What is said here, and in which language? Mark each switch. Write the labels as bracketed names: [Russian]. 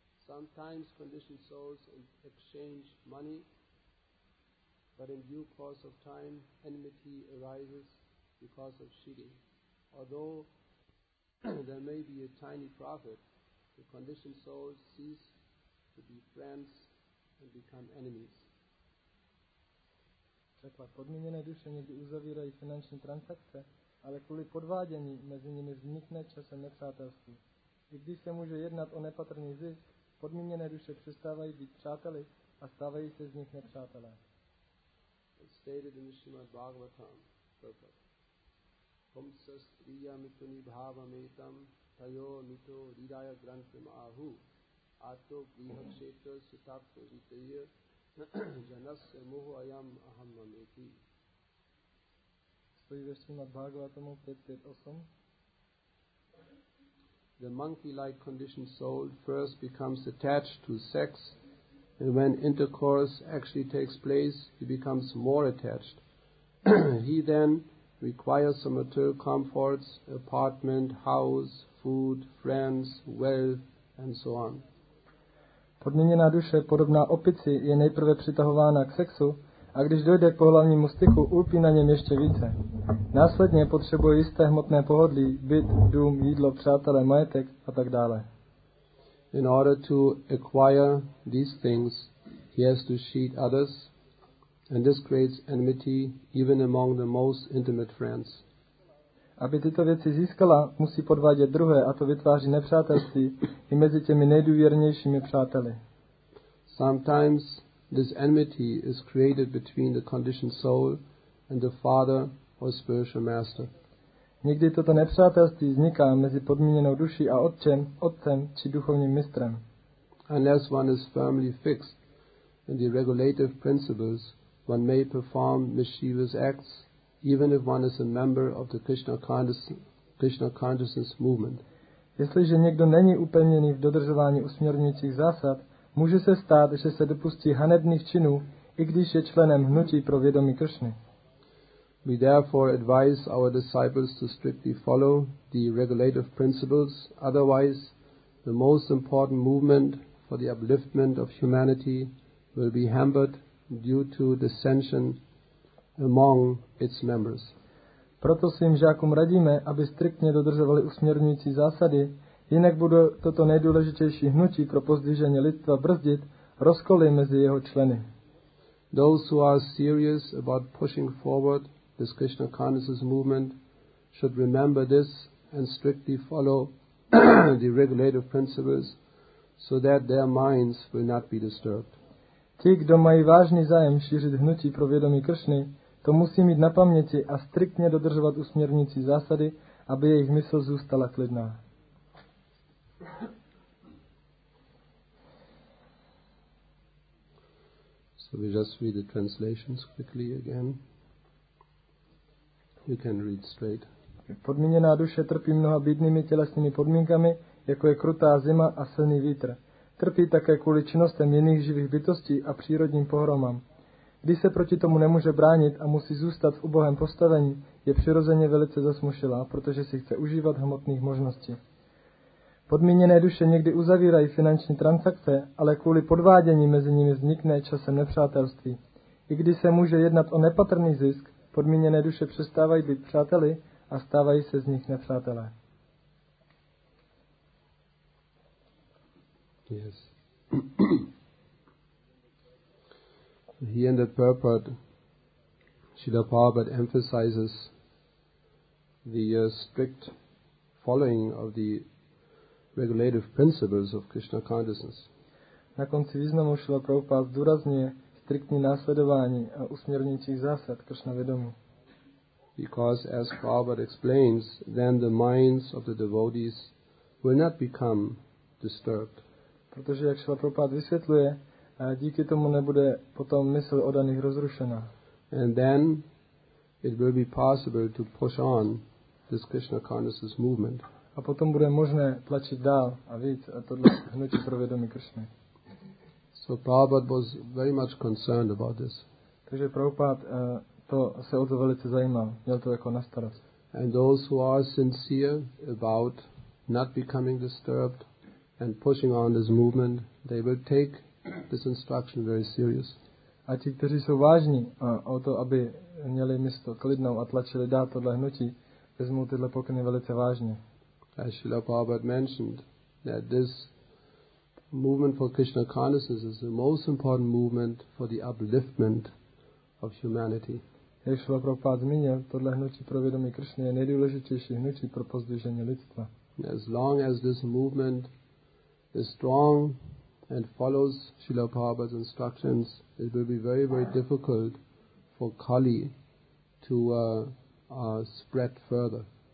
[English] Sometimes conditioned souls exchange money, but in due course of time, enmity arises because of cheating. Although there may be a tiny profit, the conditioned souls cease to be friends and become enemies. [Czech] Překlad. Podmíněné duše někdy uzavírají finanční transakce, ale kvůli podvádění mezi nimi vznikne časem nepřátelství. I když se může jednat o nepatrný zisk, podmíněné duše přestávají být přáteli a stávají se z nich nepřátelé. [English] It's stated in the Srimad Bhagavatam, perfect. [Sanskrit] Humsa striya mituni bhava metam tayo mito ridaya grantim ahu ato griha kshetra sitapto jitaya janasya moho ayam aham mameti. [Czech] Stojí ve Srimad Bhagavatamu 5.5.8. [English] The monkey-like conditioned soul first becomes attached to sex, and when intercourse actually takes place, he becomes more attached. He then requires some material comforts, apartment, house, food, friends, wealth, and so on. [Czech] Podmíněná duše, podobná opici, je nejprve přitahována k sexu, a když dojde k pohlavnímu styku, ulpí na něm ještě více. Následně potřebuje jisté hmotné pohodlí, byt, dům, jídlo, přátelé, majetek a tak dále. [English] In order to acquire these things, he has to cheat others, and this creates enmity even among the most intimate friends. [Czech] Aby tyto věci získala, musí podvádět druhé, a to vytváří nepřátelství i mezi těmi nejdůvěrnějšími přáteli. [English] Sometimes this enmity is created between the conditioned soul and the father or spiritual master. [Czech] Někdy toto nepřátelství vzniká mezi podmíněnou duší a otcem či duchovním mistrem. [English] Unless one is firmly fixed in the regulative principles, one may perform mischievous acts, even if one is a member of the Krishna consciousness movement. [Czech] Jestliže někdo není upevněný v dodržování usměrňujících zásad, může se stát, že se dopustí hanebných činů, i když je členem hnutí pro vědomí Kršny. [English] We therefore advise our disciples to strictly follow the regulative principles, otherwise the most important movement for the upliftment of humanity will be hampered due to dissension among its members. [Czech] Proto svým žákům radíme, aby striktně dodržovali usměrňující zásady, jinak bude toto nejdůležitější hnutí pro pozdvižení lidstva brzdit rozkoly mezi jeho členy. [English] Those who are serious about pushing forward this Krishna consciousness movement should remember this and strictly follow the regulative principles so that their minds will not be disturbed. [Czech] Ti, kdo mají vážný zájem šířit hnutí pro vědomí Kršny, to musí mít na paměti a striktně dodržovat usměrnící zásady, aby jejich mysl zůstala klidná. [English] So we just read the translations quickly again. You can read straight. [Czech] Podmíněná duše trpí mnoha bídnými tělesnými podmínkami, jako je krutá zima a silný vítr. Trpí také kvůli činnostem jiných živých bytostí a přírodním pohromám. Když se proti tomu nemůže bránit a musí zůstat v ubohém postavení, je přirozeně velice zasmušilá, protože si chce užívat hmotných možností. Podmíněné duše někdy uzavírají finanční transakce, ale kvůli podvádění mezi nimi vznikne časem nepřátelství. I když se může jednat o nepatrný zisk, podmíněné duše přestávají být přáteli a stávají se z nich nepřátelé. [English] Yes. He and the purport, Srila Prabhupada emphasizes the strict following of the regulative principles of Krishna consciousness. [Czech] Na konci významu Srila Prabhupada zdůrazňuje striktní následování a usměrňující zásad Krishna vědomí. [English] Because as Prabhupada explains, then the minds of the devotees will not become disturbed. [Czech] Protože jak Srila Prabhupada vysvětluje, díky tomu nebude potom mysl odaných rozrušená. [English] And then it will be possible to push on this Krishna consciousness movement. [Czech] A potom bude možné tlačit dál a víc a tohle hnutí pro vědomí Krishna. [English] So Prabhupada was very much concerned about this. [Czech] Takže Prabhupada to se o to velice zajímal, měl to jako na starost. [English] And those who are sincere about not becoming disturbed and pushing on this movement, they will take this instruction very serious. [Czech] A ti, kteří jsou vážní o to, aby měli místo klidnou a tlačili dát tohle hnutí, vezmou tyhle pokyny velice vážně. [English] As Srila Prabhupada mentioned, that this movement for Krishna consciousness is the most important movement for the upliftment of humanity. [Czech] Jak Srila Prabhupada zmínil, tohle hnutí pro vědomí Krishna je nejdůležitější hnutí pro pozdvižení lidstva. [English] As long as this movement is strong and follows Srila Prabhupada's instructions, it will be very, very difficult for Kali to spread further.